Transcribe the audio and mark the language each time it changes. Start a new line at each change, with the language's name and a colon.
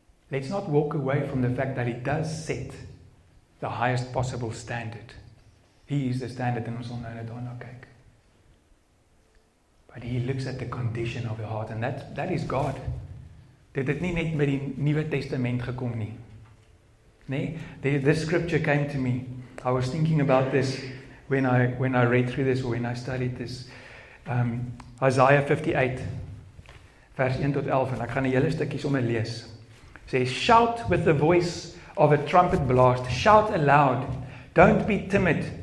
English: Let's not walk away from the fact that he does set the highest possible standard. He is the standard in
Afrikaans: ons al nou net daarna kyk.
English: But he looks at the condition of the heart, and that is God.
Afrikaans: Dit het nie net met die Nuwe Testament gekom nie.
English: Nee, this scripture came to me. I was thinking about this when I read through this, or when I studied this.
Afrikaans: Isaiah 58, vers 1 tot 11, en ek gaan die hele stukkie sommer lees.
English: Sê, shout with the voice of a trumpet blast. Shout aloud. Don't be timid.